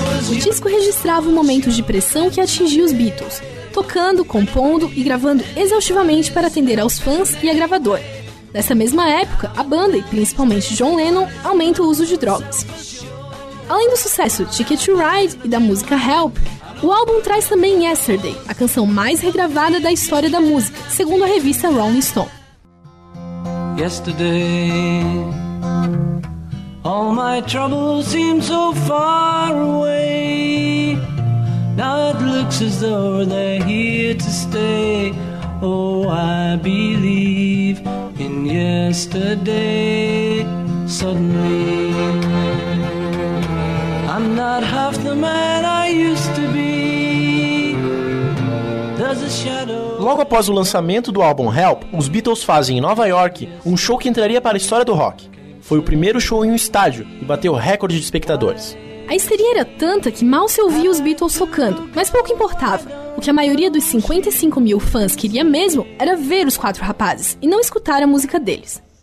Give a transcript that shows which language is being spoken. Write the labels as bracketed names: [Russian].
[Portuguese] O disco registrava o momento de pressão que atingia os Beatles, tocando, compondo e gravando exaustivamente para atender aos fãs e a gravadora. Nessa mesma época, a banda, e principalmente John Lennon, aumenta o uso de drogas. Além do sucesso Ticket to Ride e da música Help, o álbum traz também Yesterday, a canção mais regravada da história da música, segundo a revista Rolling Stone. [English] Yesterday, all my troubles seem so far away. Now it looks as though they're here to stay. Oh, I believe in yesterday. Suddenly, I'm not half the man I used to be. There's a shadow. [Portuguese] Logo após o lançamento do álbum Help, os Beatles fazem em Nova York um show que entraria para a história do rock. Foi o primeiro show em um estádio e bateu recorde de espectadores. A histeria era tanta que mal se ouvia os Beatles tocando, mas pouco importava. O que a maioria dos 55 mil fãs queria mesmo era ver os quatro rapazes e não escutar a música deles.